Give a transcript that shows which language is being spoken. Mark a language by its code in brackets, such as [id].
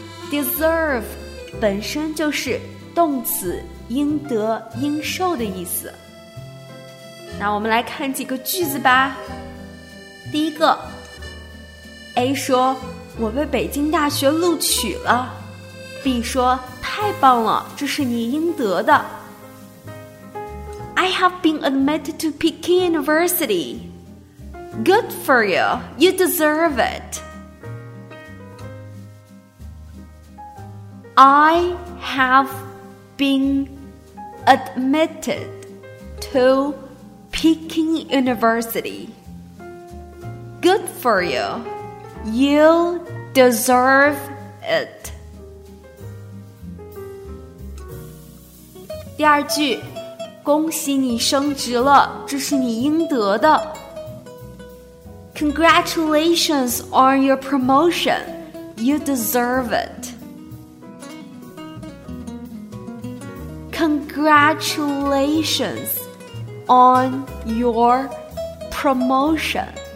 [zh] Deserve本身就是动词应得应受的意思。那我们来看几个句子吧。第一个， A 说我被北京大学录取了， B 说太棒了，这是你应得的。 [en] I have been admitted to Peking University. Good for you, you deserve itI have been admitted to Peking University. Good for you. You deserve it. [zh] 第二句，恭喜你升职了，这是你应得的。 [en] Congratulations on your promotion. You deserve it. Congratulations on your promotion.